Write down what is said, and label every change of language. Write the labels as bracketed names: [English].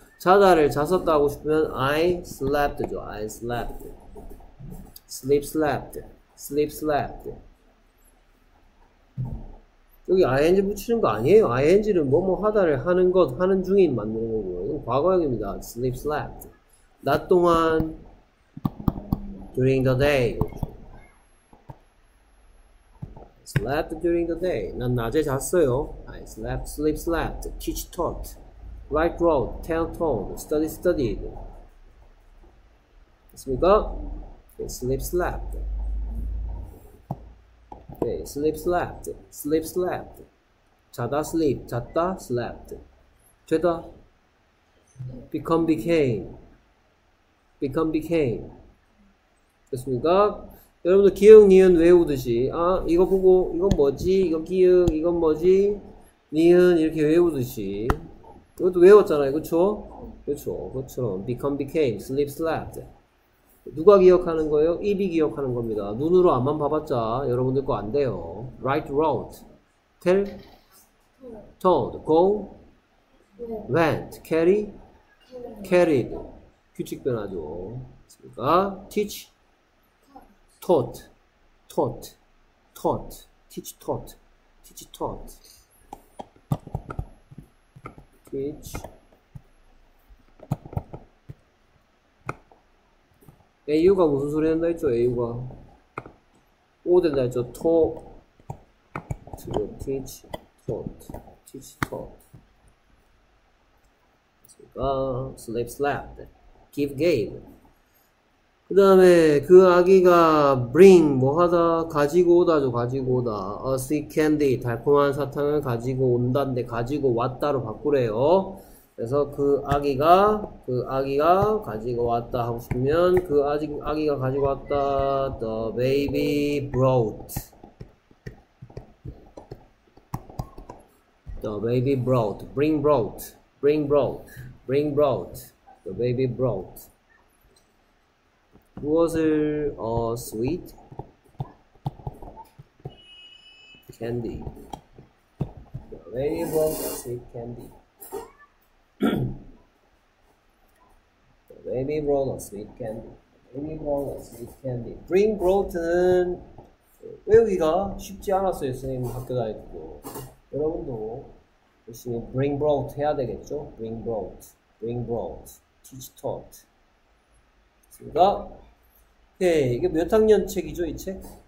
[Korean] 자다를 잤었다 하고 싶으면 [English] I slept [Korean] 죠. [English] I slept. sleep slept. sleep slept. [Korean] 여기 ing 붙이는 거 아니에요. ing는 뭐뭐 하다를 하는 것, 하는 중인 만드는 거고요. 이건 과거형입니다. [English] sleep slept. [Korean] 낮 동안 [English] during the day. slept during the day. [Korean] 난 낮에 잤어요. [English] I slept, sleep slept. teach taught. write wrote, tell told. study studied. [Korean] 됐습니까? [English] Okay, sleep slept. Okay. Sleep slept. Sleep slept. [Korean] 자다 [English] sleep. [Korean] 잤다 [English] slept. [Korean] 되다. [English] Become became. Become became. [Korean] 됐습니까? 여러분들 기역 니은 외우듯이 아 이거 보고 이건 뭐지? 이거 기역 이건 뭐지? 니은 이렇게 외우듯이 이것도 외웠잖아요. 그렇죠? 그렇죠. 그것처럼 [English] Become became. Sleep slept. [Korean] 누가 기억하는 거예요? 입이 기억하는 겁니다. 눈으로 안만 봐봤자 여러분들 거 안 돼요. [English] Write, wrote, tell, told, go, went, carry, carried. [Korean] 규칙 변화죠. [English] 그러니까 teach, taught, taught, taught, teach, taught, teach, taught, teach. [Korean] AU가 무슨 소리 한다 했죠? AU가 O 된다 했죠? [English] Talk to teach taught teach taught [Korean] 됐습니까? [English] Sleep slept Give gave [Korean] 그 다음에 그 아기가 bring 뭐하다? 가지고 오다죠. 가지고 오다. A sweet candy 달콤한 사탕을 가지고 온다인데 가지고 왔다로 바꾸래요. 그래서 그 아기가 가지고 왔다 [English] 하고 싶으면 그 아기가 가지고 왔다 The baby brought The baby brought Bring brought Bring brought Bring brought The baby brought [Korean] 무엇을? [English] A sweet candy The baby brought a sweet candy Amy brought a sweet candy. Amy brought a sweet candy. Bring brought [Korean] 는 외우기가 쉽지 않았어요. 선생님 학교 다닐 때도. 여러분도 열심히 [English] bring brought [Korean] 해야 되겠죠? [English] Bring brought. Bring brought. Teach taught. [Korean] 됐습니다. 오케이. 이게 몇 학년 책이죠, 이 책?